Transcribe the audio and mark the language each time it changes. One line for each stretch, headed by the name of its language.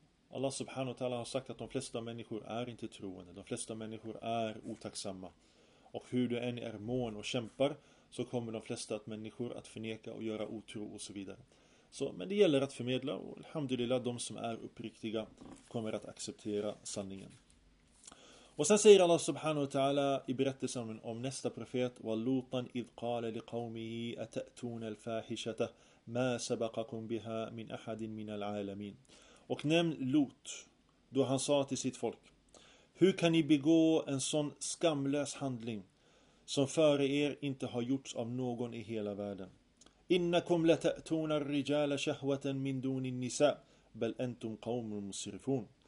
Swedish: Allah subhanahu wa ta'ala har sagt att de flesta människor är inte troende. De flesta människor är otacksamma. Och hur du än är mån och kämpar, så kommer de flesta att människor att förneka och göra otro och så vidare. Så, men det gäller att förmedla. Och alhamdulillah, de som är uppriktiga kommer att acceptera sanningen. Och sen säger Allah subhanahu wa ta'ala i berättelsen om nästa profet:
Arabic: وَلُوطًا إِذْ قَالَ لِقَوْمِهِ أَتَأْتُونَ الْفَاحِشَةَ مَا سَبَقَكُمْ بِهَا مِنْ أَحَدٍ مِنَ الْعَالَمِينَ.
Swedish: Och nämn Lot då han sa till sitt folk: hur kan ni begå en sån skamlös handling som före er inte har gjorts av någon i hela världen?
Arabic: إِنَّكُمْ لَتَأْتُونَ الرِّجَالَ شَهْوَةً مِنْ دُونِ النِّسَاءِ بَلْ أَنْتُمْ قَوْمٌ مُسْرِفُونَ.